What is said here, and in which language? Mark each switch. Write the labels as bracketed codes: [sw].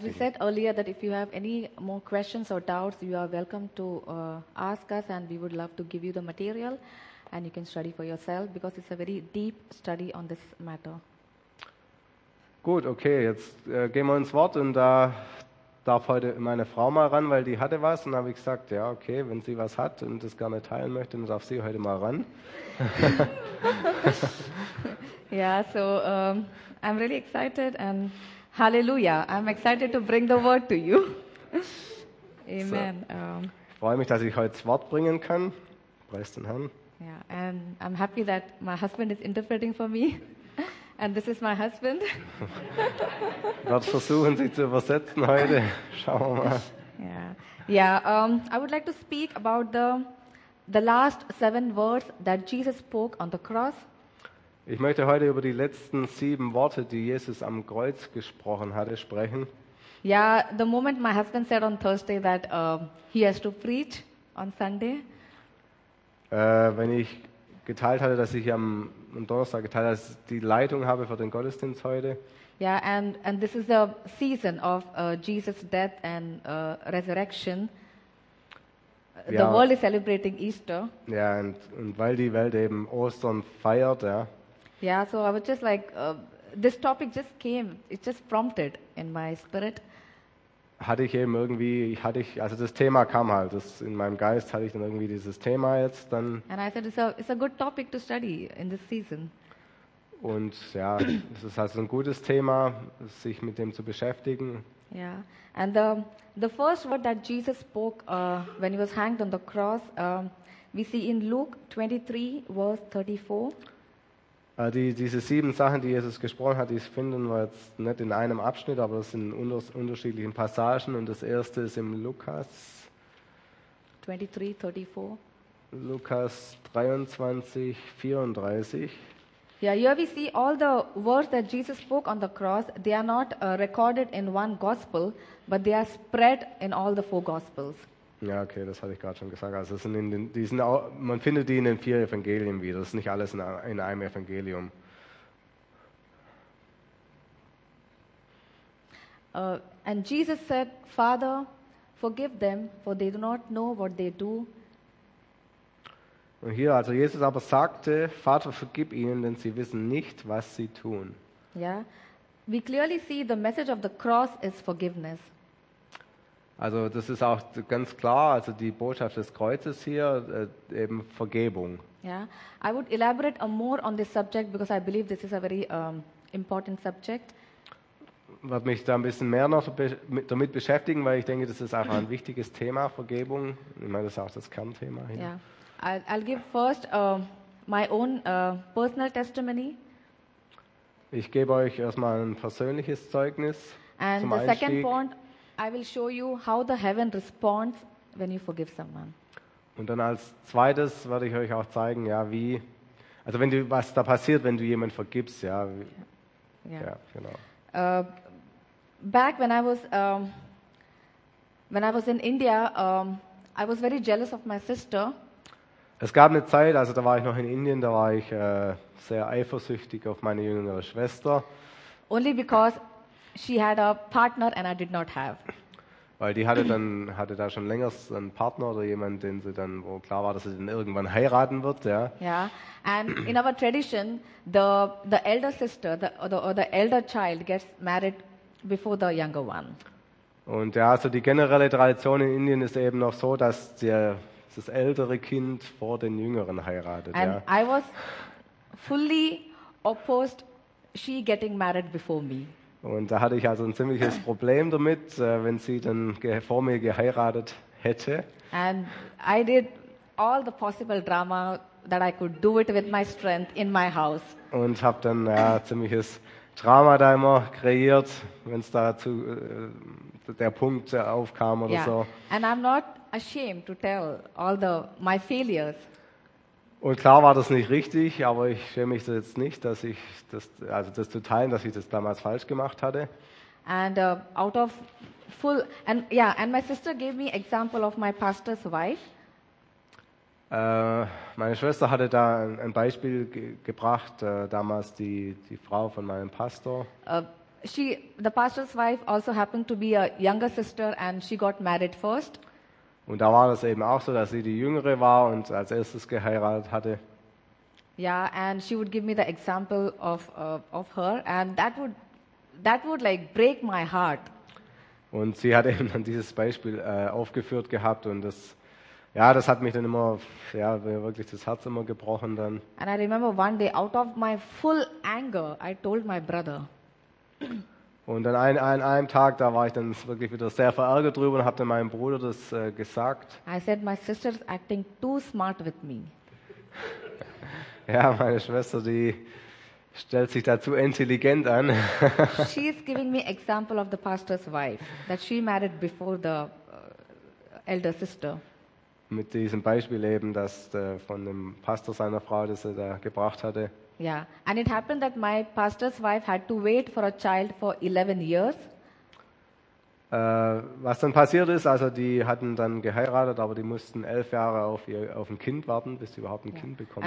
[en] As we said earlier, that if you have any more questions or doubts, you are welcome to ask us and we would love to give you the material and you can study for yourself because it's a very deep study on this matter. [de] Gut, okay, jetzt gehen wir ins Wort und da darf heute meine Frau mal ran, weil die hatte was und habe ich gesagt, ja, okay, wenn sie was hat und das gerne teilen möchte, dann darf sie heute mal ran. [en] Ja, so I'm really excited and hallelujah, I'm excited to bring the word to you. Amen. So, [de] ich freue mich, dass ich heute das Wort bringen kann. Preist den Herrn. [en] Yeah, and I'm happy that my husband is interpreting for me. And this is my husband. [de] Gott versuchen sie zu übersetzen heute. Schauen wir mal. [en] Yeah. I would like to speak about the last seven words that Jesus spoke on the cross. [de] Ich möchte heute über die letzten sieben Worte, die Jesus am Kreuz gesprochen hatte, sprechen. [en] Yeah, the moment my husband said on Thursday that he has to preach on Sunday. [de] Wenn ich geteilt hatte, dass ich am Donnerstag geteilt habe, dass ich die Leitung habe für den Gottesdienst heute. [en] Yeah, and this is the season of Jesus' death and resurrection. Ja. The world is celebrating Easter. [de] Ja, und weil die Welt eben Ostern feiert, ja. [en] Yeah, so I was just like, this topic just came, it just prompted in my spirit. [de] Also das Thema kam halt, das in meinem Geist hatte ich dann irgendwie dieses Thema jetzt dann. [en] And I said it's a good topic to study in this season. [de] Und ja, es ist also ein gutes Thema, sich mit dem zu beschäftigen. [en] Yeah, and the first word that Jesus spoke when he was hanged on the cross, we see in Luke 23, verse 34. [de] Diese sieben Sachen, die Jesus gesprochen hat, die finden wir jetzt nicht in einem Abschnitt, aber das sind unterschiedlichen Passagen. Und das erste ist im Lukas 23:34. Lukas 23:34. [en] Yeah, here we see all the words that Jesus spoke on the cross. They are not recorded in one gospel, but they are spread in all the four gospels. [de] Ja, okay, das hatte ich gerade schon gesagt. Also man findet die in den vier Evangelien wieder. Das ist nicht alles in einem Evangelium. [en] And Jesus said, Father, forgive them, for they do not know what they do. [de] Und hier, also Jesus aber sagte, Vater, vergib ihnen, denn sie wissen nicht, was sie tun. [en] Yeah, we clearly see the message of the cross is forgiveness. [de] Also das ist auch ganz klar, also die Botschaft des Kreuzes hier, eben Vergebung. [en] Yeah, I would elaborate more on this subject because I believe this is a very important subject. [de] Ich werde mich da ein bisschen mehr noch damit beschäftigen, weil ich denke, das ist einfach ein wichtiges Thema, Vergebung. Ich meine, das ist auch das Kernthema hier. [en] Yeah, I'll give first my own personal testimony. [de] Ich gebe euch erstmal ein persönliches Zeugnis [en] and [de] zum [en] the [de] Einstieg. [en] Second point, I will show you how the heaven responds when you forgive someone. [de] Und dann als zweites werde ich euch auch zeigen, ja, wie, also wenn du, was da passiert, wenn du jemanden vergibst, ja. Yeah. Ja, genau. [en] Back when I was in India, I was very jealous of my sister. [de] Es gab eine Zeit, also da war ich noch in Indien, da war ich sehr eifersüchtig auf meine jüngere Schwester. [en] Only because she had a partner and I did not have. [de] Weil die hatte da schon länger einen Partner oder jemand, den sie dann, wo klar war, dass sie dann irgendwann heiraten wird, ja. [en] Yeah. And in our tradition, the elder sister, the elder child gets married before the younger one. [de] Und ja, also die generelle Tradition in Indien ist eben noch so, dass das ältere Kind vor den jüngeren heiratet. [en] And [de] ja. [en] I was fully opposed she getting married before me. [de] Und da hatte ich also ein ziemliches Problem damit, wenn sie dann vor mir geheiratet hätte. [en] And I did all the possible drama that I could do it with my strength in my house. [de] Und habe dann ja, ziemliches Drama da immer kreiert, wenn es dazu der Punkt aufkam oder yeah. so. [en] And I'm not ashamed to tell all the my failures. [de] Und klar war das nicht richtig, aber ich schäme mich jetzt nicht, dass ich das, also das zu teilen, dass ich das damals falsch gemacht hatte. [en] And out of full and yeah, and my sister gave me example of my pastor's wife. [de] Meine Schwester hatte da ein Beispiel gebracht, damals die Frau von meinem Pastor. [en] The pastor's wife also happened to be a younger sister and she got married first. [de] Und da war das eben auch so, dass sie die Jüngere war und als erstes geheiratet hatte. [en] Yeah, and she would give me the example of her, and that would like break my heart. [de] Und sie hat eben dann dieses Beispiel aufgeführt gehabt und das, ja, das hat mich dann immer, ja, wirklich das Herz immer gebrochen dann. [en] And I remember one day out of my full anger, I told my brother. [de] Und an einem Tag, da war ich dann wirklich wieder sehr verärgert drüber und habe dann meinem Bruder das gesagt. [en] I said, my sister's acting too smart with me. [de] Ja, meine Schwester, die stellt sich da zu intelligent an. [en] She is giving me example of the pastor's wife, that she married before the elder sister. [de] Mit diesem Beispiel eben, das von dem Pastor seiner Frau, das er da gebracht hatte. [en] Yeah, and it happened that my pastor's wife had to wait for a child for 11 years. [de] Was dann passiert ist, also die hatten dann geheiratet, aber die mussten 11 Jahre auf ein Kind warten, bis sie überhaupt ein Kind bekommen